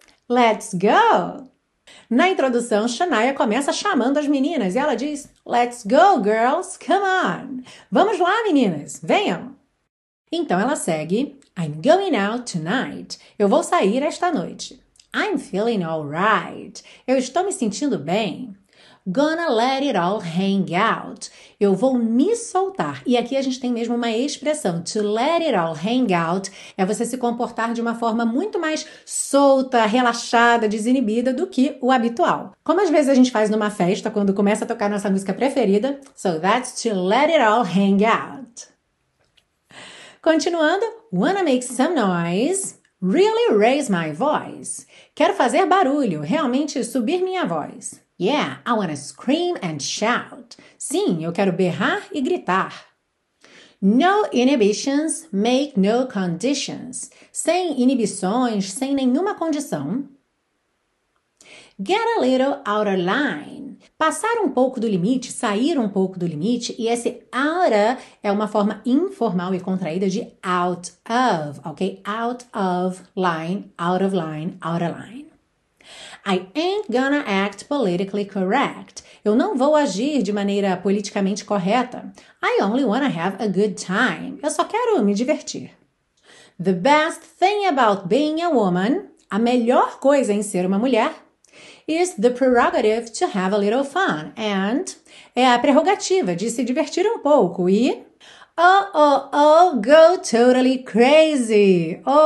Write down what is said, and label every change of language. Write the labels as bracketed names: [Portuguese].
[English] Let's go! [Portuguese] Na introdução, Shania começa chamando as meninas e ela diz: [English] Let's go, girls, come on! [Portuguese] Vamos lá, meninas, venham! Então ela segue: [English] I'm going out tonight. [Portuguese] Eu vou sair esta noite. [English] I'm feeling all right. [Portuguese] Eu estou me sentindo bem. [English] Gonna let it all hang out. [Portuguese] Eu vou me soltar. E aqui a gente tem mesmo uma expressão: [English] to let it all hang out. [Portuguese] É você se comportar de uma forma muito mais solta, relaxada, desinibida do que o habitual. Como às vezes a gente faz numa festa quando começa a tocar nossa música preferida. [English] So that's to let it all hang out. Continuando: Wanna make some noise? Really raise my voice. [Portuguese] Quero fazer barulho, realmente subir minha voz. [English] Yeah, I wanna scream and shout. [Portuguese] Sim, eu quero berrar e gritar. [English] No inhibitions, make no conditions. [Portuguese] Sem inibições, sem nenhuma condição. [English] Get a little out of line. [Portuguese] Passar um pouco do limite, sair um pouco do limite. E esse outer é uma forma informal e contraída de out of, ok? [English] Out of line, out of line, out of line. I ain't gonna act politically correct. [Portuguese] Eu não vou agir de maneira politicamente correta. [English] I only wanna have a good time. [Portuguese] Eu só quero me divertir. [English] The best thing about being a woman, [Portuguese] a melhor coisa em ser uma mulher, [English] is the prerogative to have a little fun. And [Portuguese] é a prerrogativa de se divertir um pouco e [English] Go totally crazy.